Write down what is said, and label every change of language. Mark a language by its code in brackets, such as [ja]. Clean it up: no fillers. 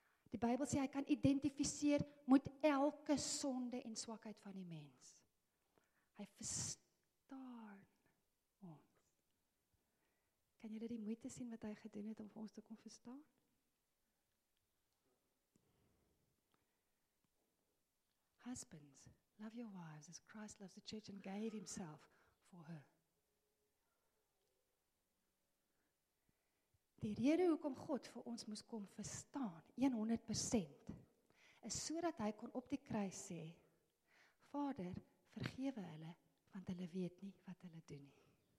[af] Die Bybel sê hy kan identifiseer met elke sonde en swakheid van die mens. Hy verstaan ons. Kan jy dit die moeite sien wat hy gedoen het om vir ons te kom verstaan? [en] husbands, love your wives as Christ loves the church and gave himself for her. [af] Die rede hoekom God vir ons moes kom verstaan, 100%, is so dat hy kon op die kruis sê, Vader, vergewe hulle, want hulle weet nie wat hulle doen nie.